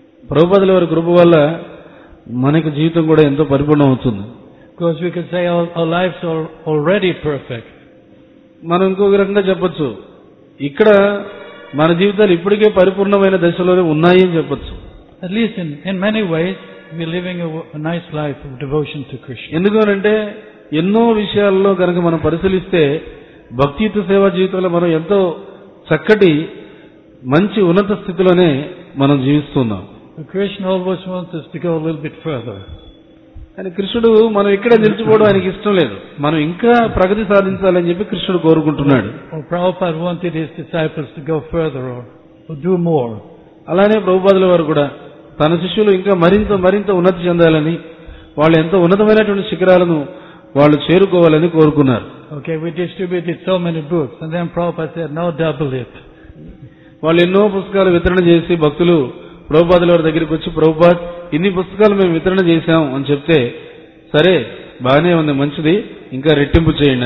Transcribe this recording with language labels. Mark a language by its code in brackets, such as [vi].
[te] ప్రభుపాదుల వారి కృప వల్ల మనకి జీవితం కూడా ఎంతో పరిపూర్ణం అవుతుంది. [en] Because we can say our lives are already perfect. [te] మనం ఇంకొక రకంగా చెప్పొచ్చు, ఇక్కడ మన జీవితాలు ఇప్పటికే పరిపూర్ణమైన దశలోనే ఉన్నాయి అని చెప్పొచ్చు. [en] At least in many ways we living a nice life of devotion to Krishna. [te] ఎందుకంటే ఎన్నో విషయాల్లో కనుక మనం పరిశీలిస్తే భక్తియుత సేవా జీవితంలో మనం ఎంతో చక్కటి మంచి ఉన్నత స్థితిలోనే మనం జీవిస్తున్నాం. [en] Krishna always wants to go a little bit further. [te] కానీ కృష్ణుడు మనం ఇక్కడ నిలిచిపోవడం ఆయనకి ఇష్టం లేదు. మనం ఇంకా ప్రగతి సాధించాలని చెప్పి కృష్ణుడు కోరుకుంటున్నాడు. [en] Prabhupada wanted his disciples to go further or to do more. [te] అలానే ప్రభుపాదుల వారు కూడా తన శిష్యులు ఇంకా మరింత మరింత ఉన్నతి చెందాలని, వాళ్ళు ఎంతో ఉన్నతమైనటువంటి శిఖరాలను వాళ్ళు చేరుకోవాలని కోరుకున్నారు. [en] Okay, we distributed so many books and then Prabhupada said, now double it. [te] వాళ్ళు ఎన్నో పుస్తకాలు వితరణ చేసి భక్తులు ప్రభుపాదుల వారి దగ్గరికి వచ్చి ప్రభుపాద్ ఇన్ని పుస్తకాలు మేము వితరణ చేశాం అని చెప్తే, సరే బాగానే ఉంది మంచిది ఇంకా రెట్టింపు చేయండి